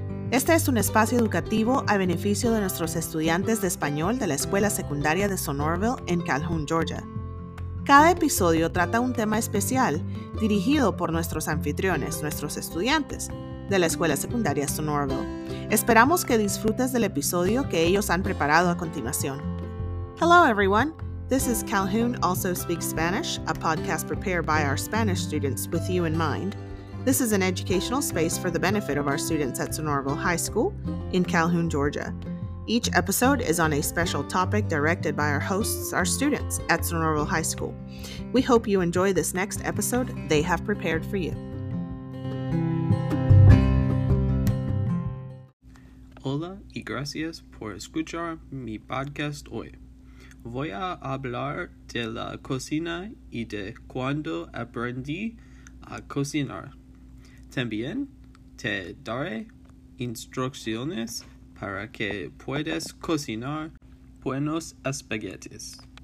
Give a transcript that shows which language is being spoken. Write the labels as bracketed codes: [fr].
[es] Este es un espacio educativo a beneficio de nuestros estudiantes de español de la Escuela Secundaria de Sonorville en Calhoun, Georgia. Cada episodio trata un tema especial dirigido por nuestros anfitriones, nuestros estudiantes de la Escuela Secundaria Sonorville. Esperamos que disfrutes del episodio que ellos han preparado a continuación. [en] Hello everyone. This is Calhoun Also Speaks Spanish, a podcast prepared by our Spanish students with you in mind. This is an educational space for the benefit of our students at Sonorville High School in Calhoun, Georgia. Each episode is on a special topic directed by our hosts, our students at Sonorville High School. We hope you enjoy this next episode they have prepared for you. [es] Hola y gracias por escuchar mi podcast hoy. Voy a hablar de la cocina y de cuando aprendí a cocinar. También te daré instrucciones para que puedas cocinar buenos espaguetis.